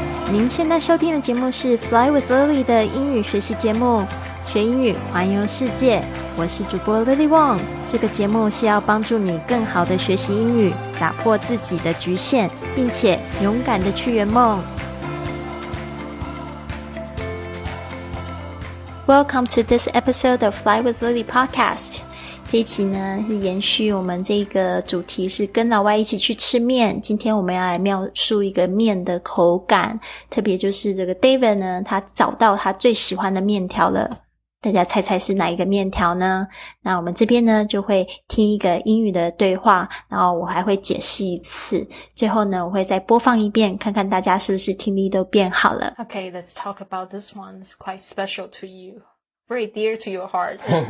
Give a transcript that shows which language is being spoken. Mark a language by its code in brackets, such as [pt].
[zh] 您现在收听的节目是 Fly with Lily 的英语学习节目，学英语环游世界。我是主播 Lily Wong。这个节目是要帮助你更好的学习英语，打破自己的局限，并且勇敢的去圆梦。 [en] Welcome to this episode of Fly with Lily podcast。 [zh] 这一期呢是延续我们这个主题，是跟老外一起去吃面。今天我们要来描述一个面的口感，特别就是这个 David 呢，他找到他最喜欢的面条了。大家猜猜是哪一个面条呢？那我们这边呢就会听一个英语的对话，然后我还会解释一次，最后呢我会再播放一遍，看看大家是不是听力都变好了。 [en] Okay, let's talk about this one. It's quite special to you, very dear to your heart.